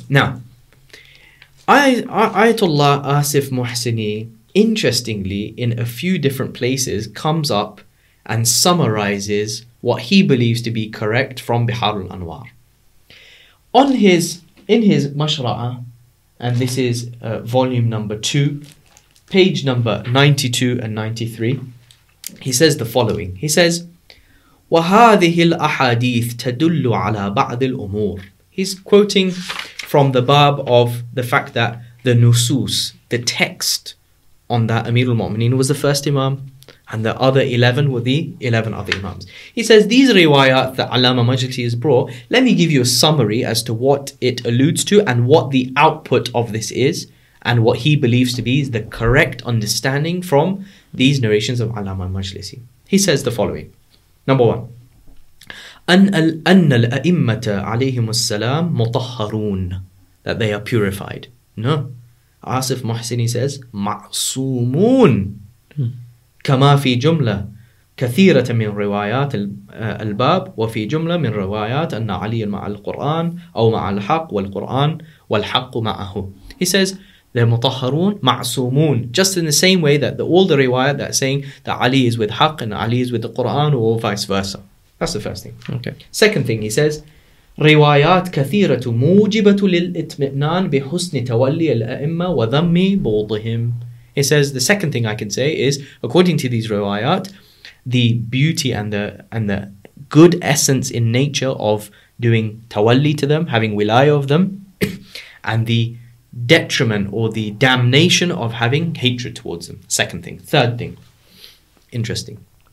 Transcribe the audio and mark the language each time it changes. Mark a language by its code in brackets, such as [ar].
[en] Now, Ayatollah Asif Muhsini, interestingly, in a few different places, comes up and summarizes what he believes to be correct from Bihar al-Anwar. In his Mashra'ah, and this is volume number 2, page number 92 and 93, he says the following. He says, [ar] وَهَذِهِ الْأَحَادِيثِ تَدُلُّ عَلَىٰ بَعْضِ الْأُمُورِ. [en] He's quoting from the bab of the fact that the nusus, the text on that Amir al-Mu'mineen was the first imam, and the other 11 were the 11 other imams. He says, these riwayat that Allama Majlisi has brought, let me give you a summary as to what it alludes to and what the output of this is and what he believes to be the correct understanding from these narrations of Allama Majlisi. He says the following. Number one, [ar] أن الأئمة عليهم السلام مطهرون, [en] that they are purified. No. Asif Muhsini says, معصومون. [ar] كما في جملة كثيرة من روايات الباب وفي جملة من روايات أن علي مع القرآن أو مع الحق والقرآن والحق معه. [en] He says, they're مطهرون, معصومون. Just in the same way that all the riwayat that are saying that Ali is with Haq and Ali is with the Quran or vice versa. That's the first thing. Okay. Second thing, he says, [ar] روايات كثيرة موجبة للإطمئنان بحسن تولي الأئمة وذم بوضهم. [en] He says, the second thing I can say is, according to these riwayat, the beauty and the good essence in nature of doing tawalli to them, having wilaya of them, and the detriment or the damnation of having hatred towards them. Second thing. Third thing. Interesting.